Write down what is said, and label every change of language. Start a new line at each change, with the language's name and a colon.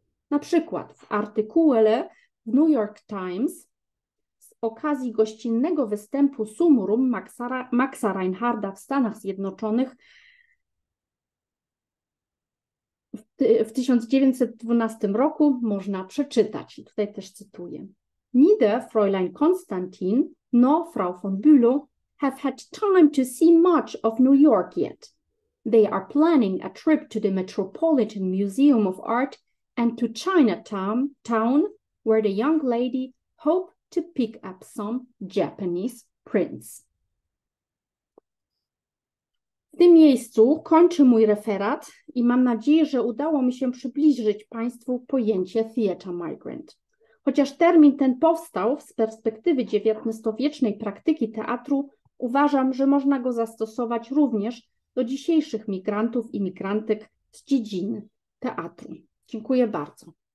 Polish: Na przykład w artykule w New York Times z okazji gościnnego występu Sumurum Maxa Reinharda w Stanach Zjednoczonych w 1912 roku można przeczytać, i tutaj też cytuję:
English: Neither Fräulein Konstantin nor Frau von Bülow have had time to see much of New York yet. They are planning a trip to the Metropolitan Museum of Art and to Chinatown, where the young lady hope to pick up some Japanese prints.
Polish: W tym miejscu kończę mój referat i mam nadzieję, że udało mi się przybliżyć Państwu pojęcie theater migrant. Chociaż termin ten powstał z perspektywy XIX-wiecznej praktyki teatru, uważam, że można go zastosować również do dzisiejszych migrantów i migrantek z dziedziny teatru. Dziękuję bardzo.